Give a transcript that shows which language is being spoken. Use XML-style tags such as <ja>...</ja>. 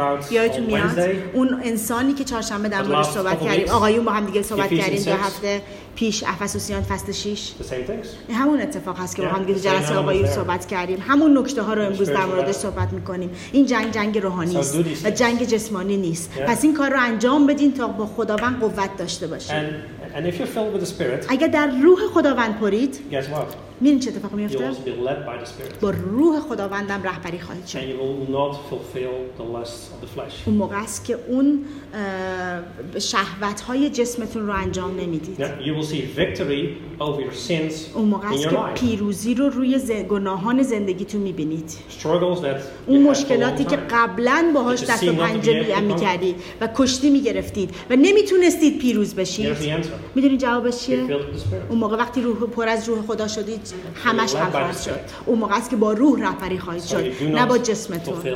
<fa>یادتون میاد اون انسانی که چهارشنبه در مورد صحبت کردیم، آقایون با هم دیگه صحبت کردیم دو هفته پیش، افسوسیان فصل 6، همون اتفاق هست که با هم دیگه جلسه آقایون صحبت کردیم، همون نکته ها رو امروز در موردش صحبت میکنیم. این جنگ جنگ روحانی است و جنگ جسمانی نیست، پس این کار رو انجام بدین تا با خداوند قوت داشته باشید.</fa> <en>And if you're filled with the Spirit,</en> <fa>اگر در روح خداوند پرید،</fa> <en>guess what?</en> <fa>می‌دونی چه اتفاق می‌افته؟</fa> <en>You'll also be led by the Spirit.</en> <fa>با روح خداوندم رهبری خواهید شد.</fa> <en>And you will not fulfill the lusts of the flesh.</en> <fa>اون موقع است که اون شهوت‌های جسمتون رو انجام نمی‌دید.</fa> <en>Yeah, you will see victory over your sins in your life.</en> <fa>اون موقع است که پیروزی رو روی گناهان زندگیتون می‌بینید.</fa> <en>Struggles that</en> <fa>اون مشکلاتی که قبلاً باهاش دست و پنجه می‌کردید و کشتی می‌گرفتید و نمی‌تونستید پیروز بشید. می‌دونی جوابش چیه؟ اون موقع وقتی روح پر از روح خدا شد، همش خواهد شد. اون موقع است که با روح رهبری خواهید شد، نه با جسمتون.</fa>